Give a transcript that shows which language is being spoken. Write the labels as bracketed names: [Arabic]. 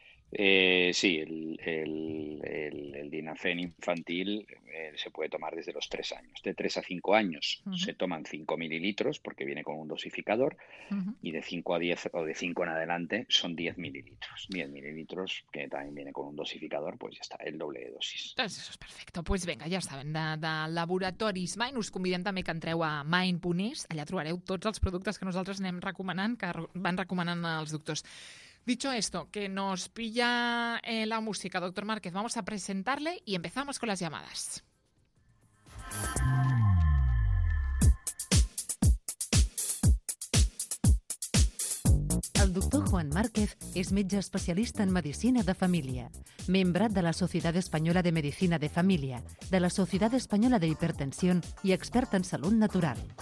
[Spanish] Sí, el Dinafen infantil se puede tomar desde los 3 años. De 3 a 5 años, uh-huh, se toman 5 mililitros porque viene con un dosificador, uh-huh, y de 5 a 10 o de 5 en adelante son 10 mililitros. 10 mililitros que también viene con un dosificador, pues ya está, el doble de dosis. Entonces eso es perfecto. Pues venga, [Catalan] ja saben, de Laboratoris Mind, us convidem també que entreu a Mind.es, allà trobareu tots els productes que nosaltres anem recomanant, que van recomanant els doctors. [Spanish] Dicho esto, que nos pilla la música, doctor Márquez, vamos a presentarle y empezamos con las llamadas. El doctor Juan Márquez es metge especialista en medicina de familia, miembro de la Sociedad Española de Medicina de Familia, de la Sociedad Española de Hipertensión y experto en salud natural.